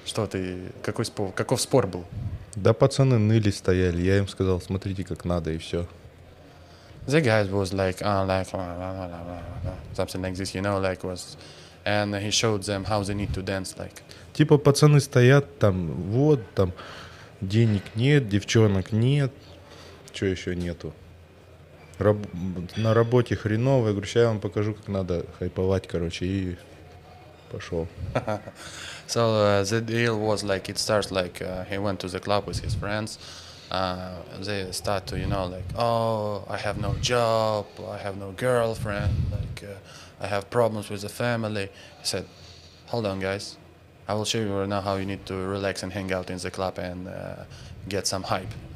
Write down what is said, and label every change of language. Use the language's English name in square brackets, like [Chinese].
[Russian] Что ты, какой спор, каков спор был? Да пацаны ныли стояли. Я им сказал, смотрите как надо и все. [English] The guys was something like this, you know, like was, and he showed them how they need to dance like. [Russian] Типа пацаны стоят там, вот там денег нет, девчонок нет, что еще нету. На работе хреново, я говорю, сейчас я вам покажу, как надо хайповать, короче, и пошел. [English] So the deal was like, it starts like, he went to the club with his friends, they start to, you know, like, oh, I have no job, I have no girlfriend, like, I have problems with the family. He said, hold on, guys, I will show you right now how you need to relax and hang out in the club and get some hype.